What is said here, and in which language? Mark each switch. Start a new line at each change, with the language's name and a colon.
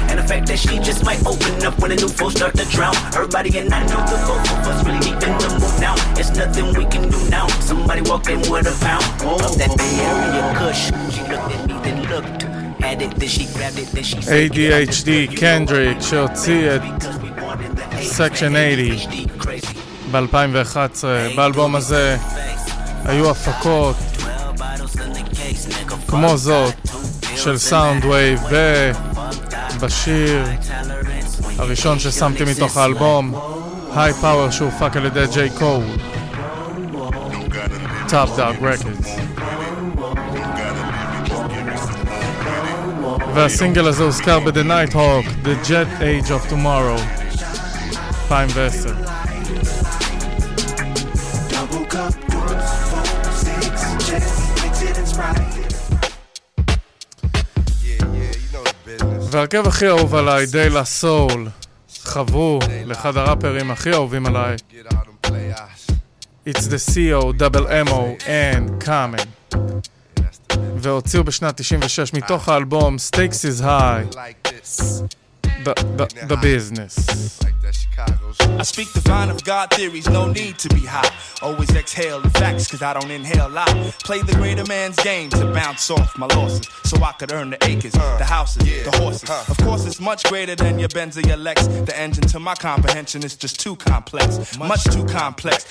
English: And the fact that she just might open up when a new foe start to drown. Her body and I know the both of us really deep in the move now. It's nothing we can do now. Somebody walk in with a pound. Oh, that Bay Area Kush. She looked at me, then looked. Had it, then she grabbed it, then she said, ADHD Kendrick, she'll see it. Section 80.
Hebrew: ב-2011, באלבום הזה היו הפקות כמו זאת של Soundwave, ובשיר הראשון ששמתי מתוך האלבום High Power שהופק על ידי ג'יי קול, Top Dog Records. והסינגל הזה הוזכר ב-The Night Hawk, The Jet Age of Tomorrow, 2010.
English: Double cup, two, four, six,
Hebrew: והרכב הכי אהוב עליי, די לה סול, חברו לאחד הראפרים הכי אהובים עליי.
English: It's the COMMON coming.
Hebrew: והוציאו בשנת 96 מתוך האלבום Stakes is High.
English: The business. I speak divine of God theories, no need to be high. Always exhale the facts, cause I don't inhale lie. Play the greater man's game to bounce off my losses, so I could earn the acres, the houses, the horses. Of course it's much greater than your Benz or your Lex. The engine to my comprehension is just too complex, much too complex.